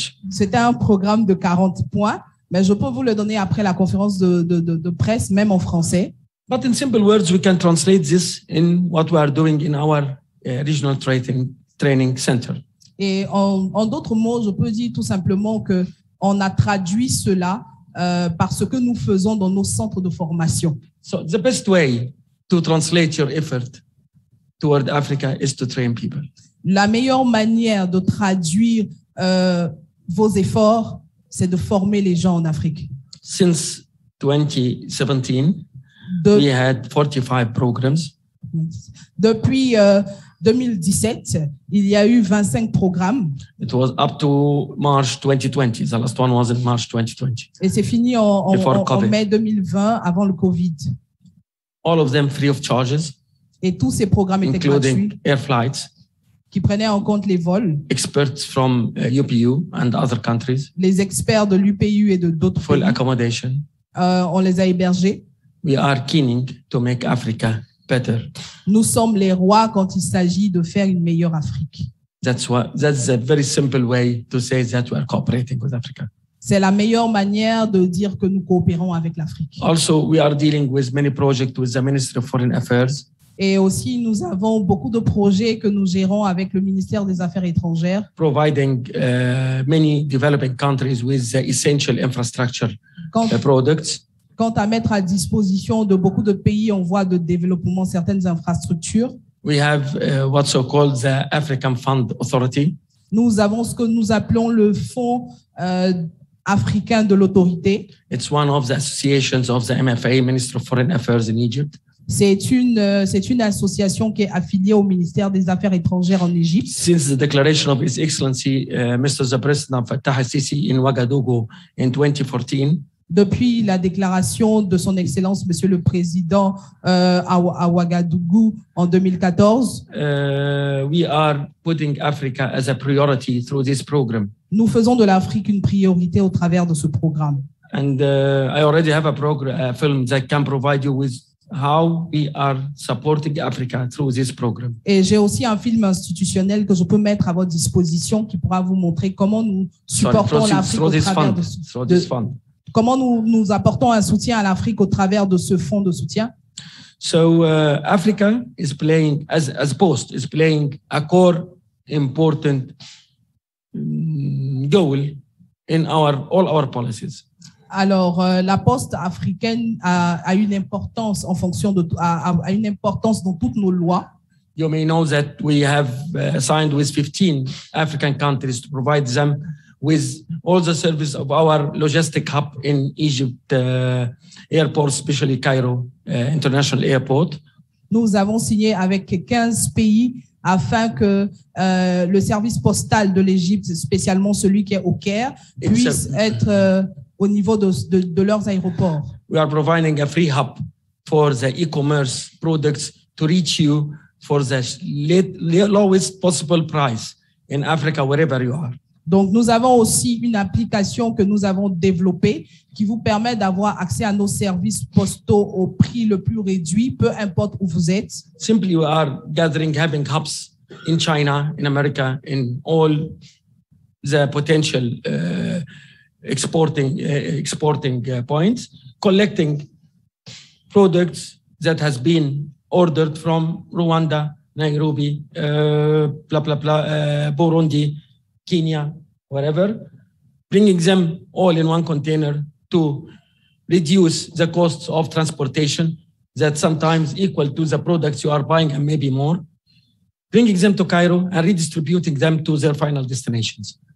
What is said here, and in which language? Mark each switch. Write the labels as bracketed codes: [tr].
[fr] C'était un programme de 40 points, mais je peux vous le donner après la conférence de presse, même en français. [en] But in simple words, we can translate this in what we are doing in our regional training center. [fr] Et en d'autres mots, je peux dire tout simplement que on a traduit cela par ce que nous faisons dans nos centres de formation. [en] So the best way to translate your effort toward Africa is to train people. [fr] La meilleure manière de traduire vos efforts, c'est de former les gens en Afrique. [en] Since 2017, we had 45 programs. [fr] Depuis 2017, il y a eu 25 programmes. [en] It was up to March 2020. The last one was in March 2020. [fr] Et c'est fini en mai 2020, avant le COVID. [en] All of them free of charges. [fr] Et tous ces programmes étaient [en] including [fr] gratuits, [en] air flights, [fr] qui prenaient en compte les vols, [en] experts from UPU and other countries, [fr] les experts de l'UPU et de d'autres [en] full [fr] pays, [en] accommodation. [fr] On les a hébergés. [en] We are keening to make Africa better. [fr] Nous sommes les rois quand il s'agit de faire une meilleure Afrique. [en] That's a very simple way to say that we are cooperating with Africa. [fr] C'est la meilleure manière de dire que nous coopérons avec l'Afrique. [en] Also, we are dealing with many projects with the Ministry of Foreign Affairs. [fr] Et aussi, nous avons beaucoup de projets que nous gérons avec le ministère des Affaires étrangères. [en] Providing many developing countries with the essential infrastructure products. [fr] Quant à mettre à disposition de beaucoup de pays en voie de développement certaines infrastructures. [en] We have what's so called the African Fund Authority. [fr] Nous avons ce que nous appelons le fonds africain de l'autorité. [en] It's one of the associations of the MFA, Minister of Foreign Affairs in Egypt. [fr] C'est une association qui est affiliée au ministère des Affaires étrangères en Égypte. [en] Since the declaration of His Excellency, Mr. the President Fattah al-Sisi in Ouagadougou in 2014. [fr] depuis la déclaration de son Excellence, Monsieur le Président, à Ouagadougou en 2014. [en] We are putting Africa as a priority through this program. [fr] Nous faisons de l'Afrique une priorité au travers de ce programme. [en] And I already have a film that can provide you with how we are supporting Africa through this program. [fr] Et j'ai aussi un film institutionnel que je peux mettre à votre disposition qui pourra vous montrer comment nous supportons l'Afrique au travers de ce fonds. Comment nous apportons un soutien à l'Afrique au travers de ce fonds de soutien? [en] So Africa is playing as post is playing a core important goal in all our policies. [fr] Alors, la Poste africaine a une importance en fonction de a une importance dans toutes nos lois. [en] You may know that we have signed with 15 African countries to provide them with all the services of our logistic hub in Egypt airport, especially Cairo International Airport. [fr] Nous avons signé avec 15 pays afin que le service postal de l'Égypte, spécialement celui qui est au Caire, puisse être au niveau de leurs aéroports. [en] We are providing a free hub for the e-commerce products to reach you for the lowest possible price in Africa, wherever you are. [fr] Donc, nous avons aussi une application que nous avons développée qui vous permet d'avoir accès à nos services postaux au prix le plus réduit, peu importe où vous êtes. [en] Simply, we are gathering, having hubs in China, in America, in all the potential exporting points, collecting products that has been ordered from Rwanda, Nairobi, Burundi, Kenya, wherever, bringing them all in one container to reduce the costs of transportation that sometimes equal to the products you are buying and maybe more, bringing them to Cairo and redistributing them to their final destinations.